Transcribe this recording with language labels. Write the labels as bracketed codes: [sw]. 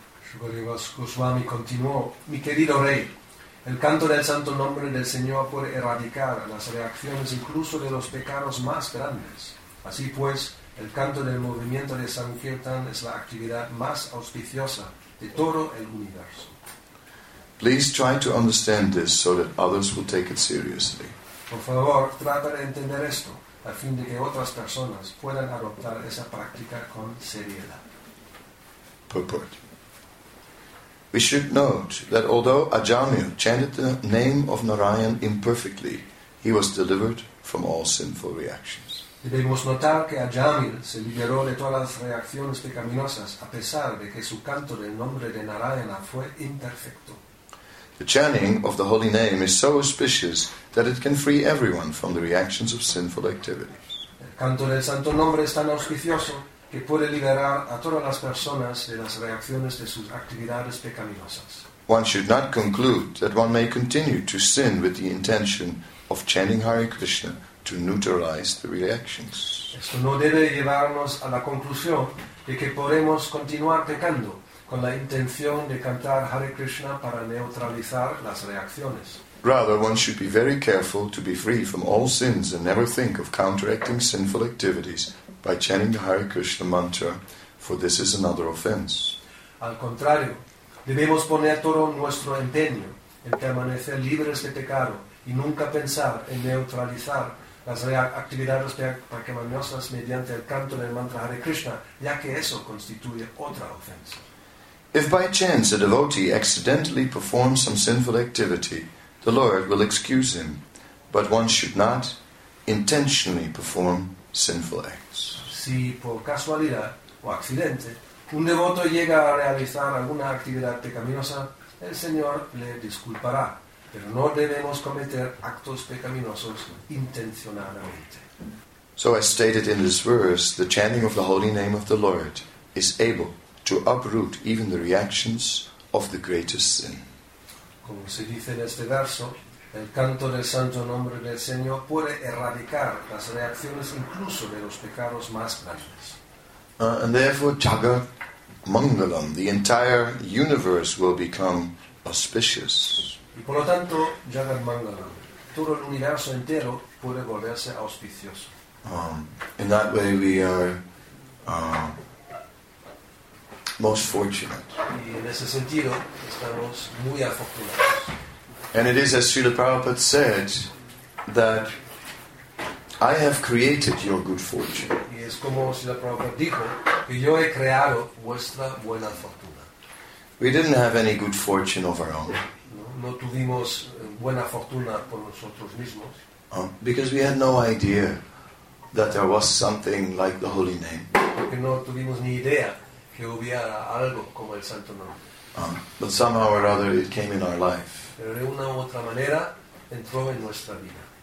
[es] Sukadeva Goswami continuò, "Mi querido Rey, el canto del santo nombre del Señor puede erradicar las reacciones incluso de los pecados más grandes. Así pues, el canto del movimiento de Sankirtan es la actividad más auspiciosa de todo el universo." [en] Please try to understand this so that others will take it seriously. [es] Por favor, trata de entender esto a fin de que otras personas puedan adoptar esa práctica con seriedad. [en] Purport. We should note that although Ajamil chanted the name of Narayan imperfectly, he was delivered from all sinful reactions. [es] Debemos notar que Ajamil se liberó de todas las reacciones pecaminosas a pesar de que su canto del nombre de Narayana fue imperfecto. [en] The chanting of the holy name is so auspicious that it can free everyone from the reactions of sinful activities. [es] El canto del santo nombre es tan auspicioso que puede liberar a todas las personas de las reacciones de sus actividades pecaminosas. [en] One should not conclude that one may continue to sin with the intention of chanting Hare Krishna to neutralize the reactions. [es] Esto no debe llevarnos a la conclusión de que podemos continuar pecando con la intención de cantar Hare Krishna para neutralizar las reacciones. [en] Rather, one should be very careful to be free from all sins and never think of counteracting sinful activities by chanting the Hare Krishna mantra, for this is another offense. [es] Al contrario, debemos poner todo nuestro empeño en permanecer libres de pecado y nunca pensar en neutralizar las actividades pecaminosas mediante el canto del mantra Hare Krishna, ya que eso constituye otra ofensa. [en] If by chance a devotee accidentally performs some sinful activity, the Lord will excuse him, but one should not intentionally perform sinful acts. [es] Si por casualidad o accidente un devoto llega a realizar alguna actividad pecaminosa, el Señor le disculpará. Pero no debemos cometer actos pecaminosos intencionadamente. [en] So as stated in this verse, the chanting of the holy name of the Lord is able to uproot even the reactions of the greatest sin. [es] Como se dice en este verso, el canto del santo nombre del Señor puede erradicar las reacciones incluso de los pecados más grandes. [en] And therefore, Jagat Mangalam, the entire universe will become auspicious. [es] Y por lo tanto, Jagat Mangalam, todo el universo entero puede volverse auspicioso. [en] In that way we are most fortunate. [es] Y en ese sentido, estamos muy afortunados. [en] And it is as Srila Prabhupada said, that I have created your good fortune. [es] Y es como Srila Prabhupada dijo, que yo he creado vuestra buena fortuna. [en] We didn't have any good fortune of our own. [es] No tuvimos buena fortuna por nosotros mismos. [en] Because we had no idea that there was something like the holy name. [es] Porque no tuvimos ni idea que hubiera algo como el santo nombre. [en] But somehow or other it came in our life. [es] Pero de una u otra manera entró en nuestra vida.